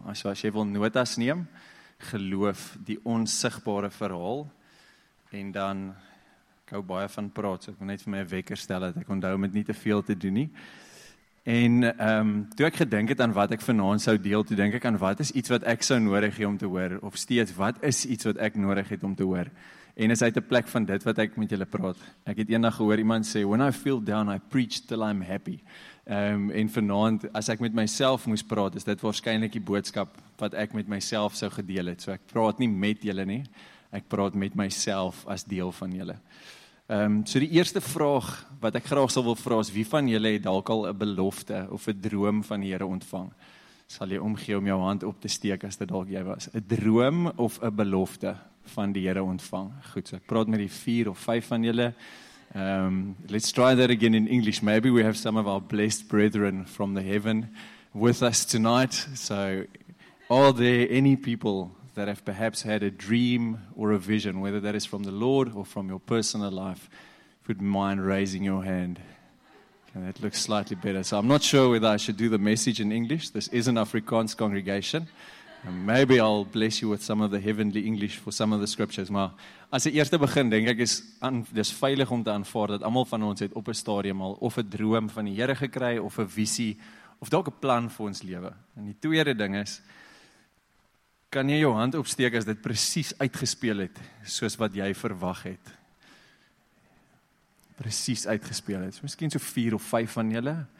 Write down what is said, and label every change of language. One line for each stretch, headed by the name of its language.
Afrikaans: As jy wil notas neem, Geloof, die onsigbare verhaal. En dan, ek hou baie van praat, so ek wil net vir my 'n wekker stel, dat ek onthou om dit nie te veel te doen nie. En toe ek gedink het aan wat ek vanavond sou deel, toe dink ek aan wat is iets wat ek sou nodig hê om te hoor, of steeds, wat is iets wat ek nodig het om te hoor. En is uit die plek van dit wat ek met julle praat. Ek het eendag gehoor iemand sê,
English: when I feel down, I preach till I'm happy.
Afrikaans: En vanavond, as ek met myself moes praat, is dit waarskynlik die boodskap wat ek met myself sou gedeel het. So ek praat nie met julle nie, ek praat met myself as deel van julle. So die eerste vraag wat ek graag sal wil vra is, wie van julle het dalk al 'n belofte of 'n droom van die Here ontvang? Sal jy omgee om jou hand op te steek as dit dalk jy was? 'N droom of 'n belofte van die Here ontvang? Goed, so ek praat met die 4 of 5 van julle.
English: Let's try that again in English. Maybe we have some of our blessed brethren from the heaven with us tonight. So are there any people that have perhaps had a dream or a vision, whether that is from the Lord or from your personal life, if you'd mind raising your hand? Okay, that looks slightly better. So I'm not sure whether I should do the message in English. This is an Afrikaans congregation. And maybe I'll bless you with some of the heavenly English for some of the scriptures.
Afrikaans: Maar as die eerste begin, denk ek, is veilig om te aanvaar dat allemaal van ons het op een stadium al of een droom van die Here gekry, of een visie, of dalk een plan vir ons lewe. En die tweede ding is, kan jy jou hand opsteek as dit precies uitgespeel het, soos wat jy verwag het? Precies uitgespeel het. So, miskien so 4 of 5 van julle.